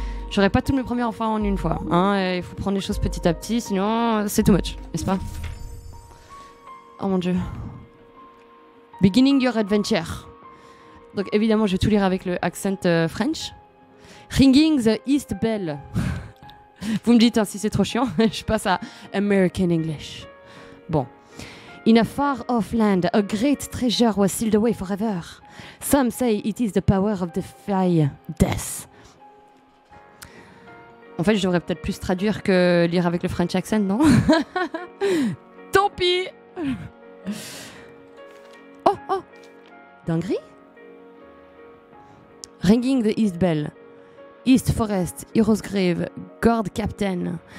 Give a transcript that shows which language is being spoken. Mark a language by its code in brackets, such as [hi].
[fr] J'aurai pas toutes mes premières fois en une fois. Hein. Il faut prendre les choses petit à petit, sinon c'est [en] too much, [fr] n'est-ce pas? Oh mon dieu. [en] Beginning Your Adventure. [fr] Donc évidemment, je vais tout lire avec le accent French. [en] Ringing the East Bell. [fr] Vous me dites hein, si c'est trop chiant. Je passe à American English. Bon. [en] In a far off land, a great treasure was sealed away forever. Some say it is the power of the fire, death. [fr] En fait, je devrais peut-être plus traduire que lire avec le [en] French [fr] accent, non? Tant pis! Oh, oh! Dinguerie? [en] Ringing the East Bell. East Forest, Heroes Grave, Guard Captain.